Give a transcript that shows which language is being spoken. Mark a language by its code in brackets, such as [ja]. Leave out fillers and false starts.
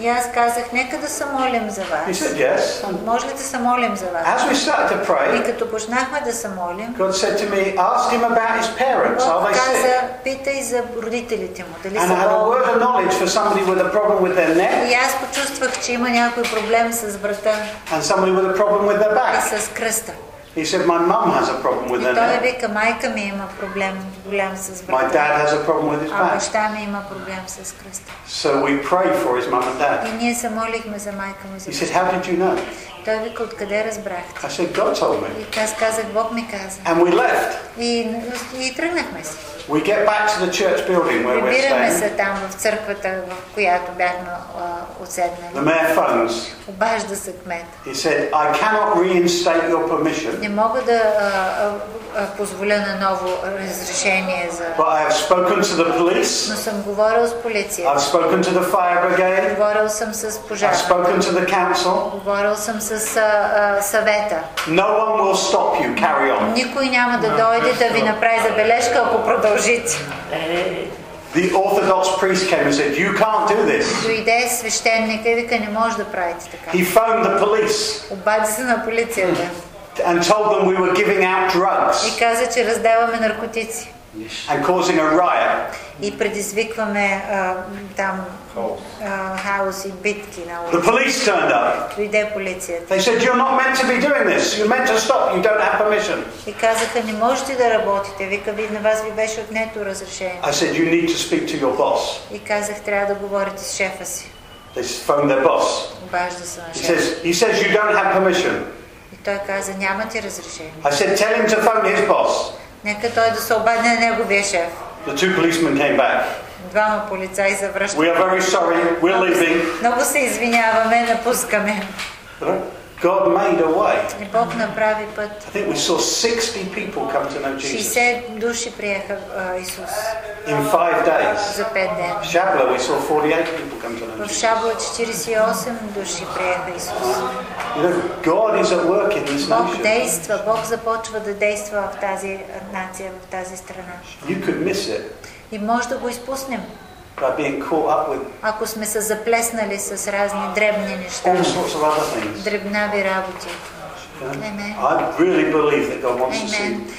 [bg] И аз казах, нека да се молим за вас. [en] He said, yes. [bg] Може ли да се молим за вас? [en] As we started to pray, [bg] и като почнахме да се молим, [en] God said to me, ask him about his parents. Are they sick? [bg] Каза, питай за родителите му. Дали са болни? [en] And I had a word of knowledge for somebody with a problem with their neck. [bg] И аз почувствах, че има някой проблем. [en] And somebody with a problem with their back. [bg] С кръста. [en] He said, my mum has a problem with their neck. [bg] Вика, майка ми има проблем, голям с брата. [en] My dad has a problem with his back. [bg] А баща ми има проблем с кръста. [en] So we prayed for his mum and dad. [bg] И ние се молихме за майка му. [en] He said, how did you know? [bg] Той вика, откъде разбрахте? [en] I said, God told me. [bg] И аз казах, Бог ми каза. [en] And we left. [bg] И тръгнахме си. [en] We get back to the church building where we're staying. [bg] Прибираме се там в църквата, в която бяхме отседнали. [en] The mayor phones. [bg] Обажда се кмет. [en] He said, I cannot reinstate your permission. [bg] Не мога да позволя на ново разрешение за. [en] But I have spoken to the police. [bg] Но съм говорил с полицията. [en] I've spoken to the fire brigade. [bg] Говорил съм с пожарната. [en] I've spoken to the council. [bg] Говорил съм с съвета. [en] No one will stop you. Carry on. [bg] Никой няма да дойде да ви направи забележка, ако продължите. [en] The Orthodox priest came and said, "You can't do this." [bg] Дойде свещеник и вика, не можеш да правите така. [en] He phoned the police. [bg] Обади се на полицията. [en] And told them we were giving out drugs. [bg] И каза, че раздаваме наркотици. [en] And causing a riot. [bg] И предизвикваме там хаос и битки на [en] улица. The police turned up. [bg] Дойде полицията. [en] They said, you're not meant to be doing this. You're meant to stop. You don't have permission. [bg] И казаха, не можете да работите. Вика, на вас ви беше отнето разрешение. [en] I said, you need to speak to your boss. [bg] И казах, трябва да говорите с шефа си. [en] They phoned their boss. [bg] Обажда се на шефа. [en] He says, you don't have permission. [bg] И той каза, нямате разрешение. [en] I said, tell him to phone his boss. [bg] Нека той да се обади на неговия шеф. [en] The two policemen came back. [bg] Двама полицаи се връщат. [en] We are very sorry. We're leaving. [bg] Много се извиняваме, напускаме. [en] God made a way. [bg] И Бог направи път. [en] I think we saw 60 people come to know Jesus. [bg] 60 души приеха Исус. [en] In 5 days. [bg] За 5 дни. [en] Шабла we saw 48 people come to know. [bg] В Шабла 48 души приеха Исус. [en] God is at work in this nation. [bg] Бог действа, Бог започва да действа в тази нация, в тази страна. [en] You could miss it. [bg] И може да го изпуснем. [en] By being caught up with. [bg] Ако сме се заплеснали с разни дребни неща. [en] All sorts of other things. [bg] Дребнави работи. [en] Amen. I really believe that God wants to see.